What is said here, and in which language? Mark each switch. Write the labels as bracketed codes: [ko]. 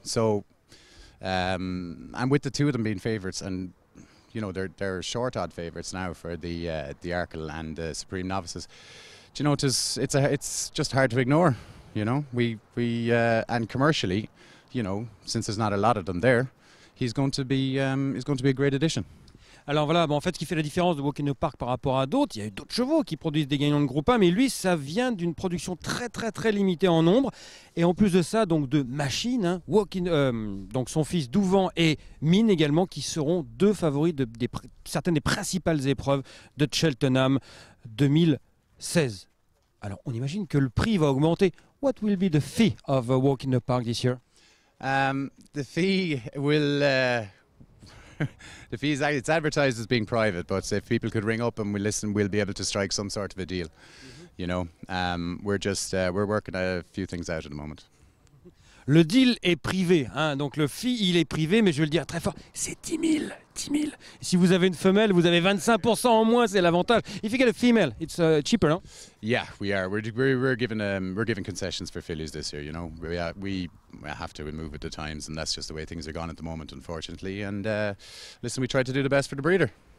[en] So, and with the two of them being favourites and, you know, they're short odd favourites now for the Arkle and the Supreme Novices. Do you know, it's just hard to ignore, you know. We and commercially, you know, since there's not a lot of them there, he's going to be a great addition. [fr] Alors voilà, bon, en fait, ce qui fait la différence de Walk in the Park par rapport à d'autres, il y a eu d'autres chevaux qui produisent des gagnants de groupe 1, mais lui, ça vient d'une production très très très limitée en nombre. Et en plus de ça, donc de machines, hein, donc son fils Douvan et Mine également, qui seront deux favoris de certaines des principales épreuves de Cheltenham 2016. Alors on imagine que le prix va augmenter. [en] What will be the fee of Walk in the Park this year? The fee will... The fees, it's advertised as being private, but if people could ring up and we listen, we'll be able to strike some sort of a deal. Mm-hmm. You know, we're working a few things out at the moment. [fr] Le deal est privé, hein, donc le fee, il est privé, mais je vais le dire très fort, c'est 10 000. Si vous avez une femelle, vous avez 25% en moins, c'est l'avantage. [en] If you get a female, it's cheaper, non? Yeah, we are. We're giving concessions for fillies this year, you know. We have to move with the times, and that's just the way things are gone at the moment, unfortunately. And listen, we try to do the best for the breeder.